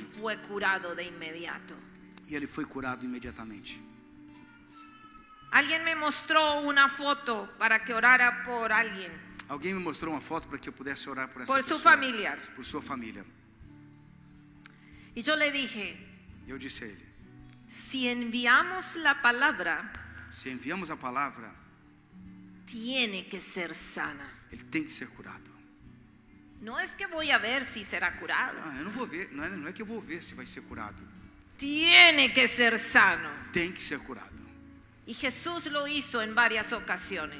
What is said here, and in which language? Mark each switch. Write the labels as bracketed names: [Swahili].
[Spanish] Y fue curado de inmediato. [Portuguese] E ele foi curado imediatamente. [Spanish] Alguien me mostró una foto para que orara por alguien. [Portuguese] Alguém me mostrou uma foto para que eu pudesse orar por essa por pessoa. Sua família. Por sua família. E eu lhe disse. Eu disse a ele. Se enviamos a palavra. Se enviamos a palavra. [Spanish] Tiene que ser sana. [Portuguese] Ele tem que ser curado. Não é que vou a ver se será curado. Não, eu não vou ver. Não é que eu vou ver se vai ser curado. [Spanish] Tiene que ser sano. [Portuguese] Tem que ser curado. [Spanish] Y Jesús lo hizo en varias ocasiones.